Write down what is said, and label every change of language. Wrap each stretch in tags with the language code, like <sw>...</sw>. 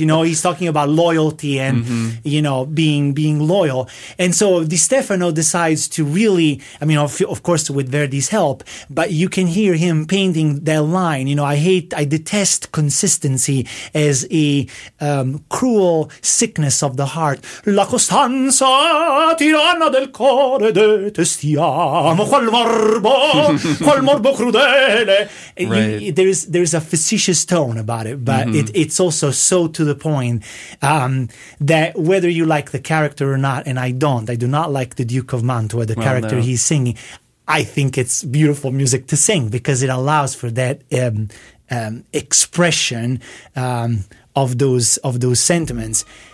<en>You know, he's talking about loyalty and, mm-hmm. you know, being loyal. And so Di Stefano decides to really, I mean, of course, with Verdi's help, but you can hear him painting that line, you know, I detest consistency as a cruel sickness of the heart.</en> <it>La costanza tiranna del cuore detestiamo, qual morbo crudele.</it> <en>Right. There's a facetious tone about it, but mm-hmm. it's also so to the point that whether you like the character or not, and I do not like the Duke of Mantua, the character he's singing, I think it's beautiful music to sing because it allows for that expression of those sentiments.</en>